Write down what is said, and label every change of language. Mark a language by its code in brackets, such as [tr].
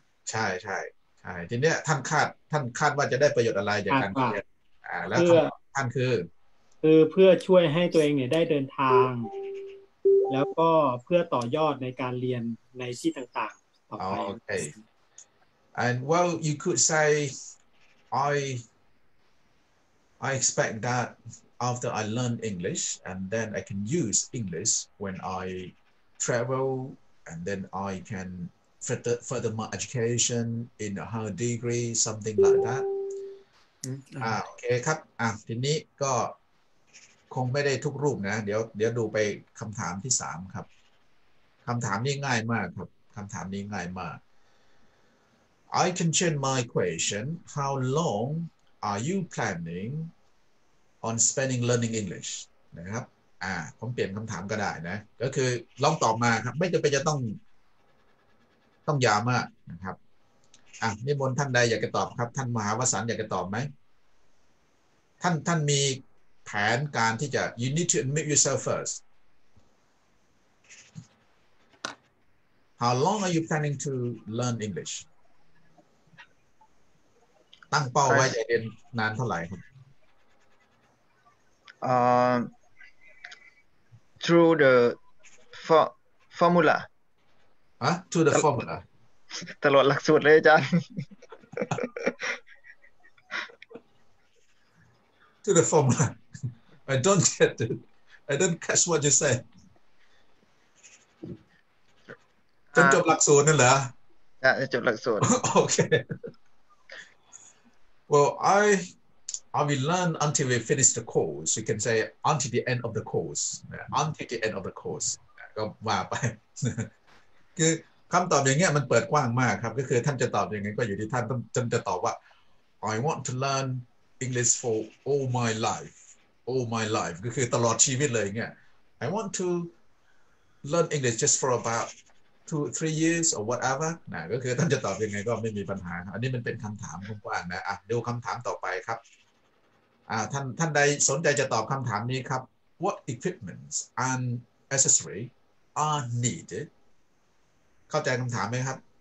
[th] ใช่ใช่ใช่ทีเนี้ยท่านคาดว่าจะได้ประโยชน์อะไรจากการเรียนแล้วท่านคือ เพื่อช่วยให้ตัวเองเนี่ยได้เดินทางแล้วก็เพื่อต่อยอดในการเรียนในที่ต่างๆต่อไป [en] And well, you could say, I expect that after I learn English, and then I can use English when I travel, and then I can further my education in a higher degree, something like that. [th] Okay, ครับ ทีนี้ก็คงไม่ได้ทุกรูปนะเดี๋ยวดูไปคำถามที่สามครับคำถามนี้ง่ายมากครับคำถามนี้ง่ายมาก [en] I can change my question. How long are you planning on spending learning English? [th] นะครับผมเปลี่ยนคำถามก็ได้นะก็คือลองตอบมาครับไม่จำเป็นจะต้องยาวมากนะครับนิมนต์ท่านใดอยากจะตอบครับท่านมหาวสันอยากจะตอบไหมท่านมีแผนการที่จะ [en] you need to admit yourself first. How long are you planning to learn English? [th] ตั้งเป้าไว้จะเรียนนานเท่าไหร่ครับ [en] through the formula through the formula [th] ตลอดหลักสูตรเลยอาจารย์ [en] through the formula I don't get it I don't catch what you say [th] จนจบหลักสูตรนั่นเหรอ จบหลักสูตร [en] โอเคWell, I will learn until we finish the course. You can say until the end of the course. Until the end of the course. [th] ก็ว่าไปคือคำตอบอย่างเงี้ยมันเปิดกว้างมากครับก็คือท่านจะตอบยังไงก็อยู่ที่ท่านจะตอบว่า [en] I want to learn English for all my life. all my life [th] ก็คือตลอดชีวิตเลยเงี้ย [en] I want to learn English just for about 2-3 years or whatever [th] นะก็คือท่านจะตอบยังไงก็ไม่มีปัญหาอันนี้มันเป็นคำถามกว้างๆนะอ่ะดูคำถามต่อไปครับท่านใดสนใจจะตอบคำถามนี้ครับ [en] What equipments and accessory are needed [th] เข้าใจคำถามไหมครับ